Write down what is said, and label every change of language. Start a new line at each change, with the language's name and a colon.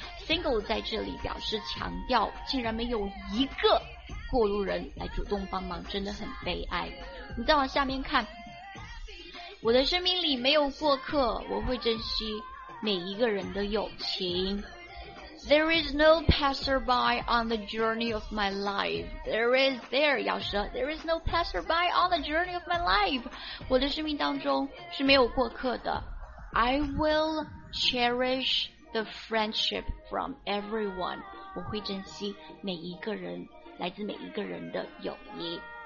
Chinese: single 在这里表示强调，竟然没有一个过路人来主动帮忙，真的很悲哀。你再往下面看，我的生命里没有过客，我会珍惜每一个人的友情。
English: There is no passerby on the journey of my life. There is no passerby on the journey of my life.
Chinese: 我的生命当中是没有过客的。
English: I will cherish the friendship from everyone.
Chinese: 我会珍惜每一个人，来自每一个人的友谊。